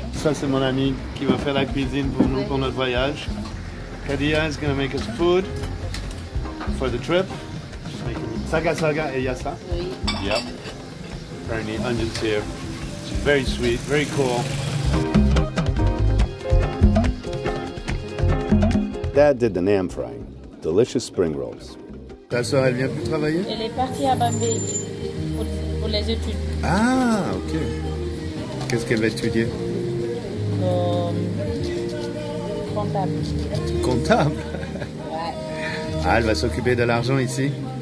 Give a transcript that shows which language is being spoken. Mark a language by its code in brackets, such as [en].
[fr] Ça c'est mon ami qui va faire la cuisine pour nous pour notre voyage. [en] Kadia is gonna make us food for the trip. She's making saga et yassa. [fr] Oui. [en] Yep. Apparently onions here. It's very sweet, very cool. Dad did the nam frying, delicious spring rolls. [fr] Ta soeur, elle vient plus travailler? Elle est partie à Bambé pour les études. Ah, ok. Qu'est-ce qu'elle va étudier? Comptable. Comptable? Ouais. Ah, elle va s'occuper de l'argent ici?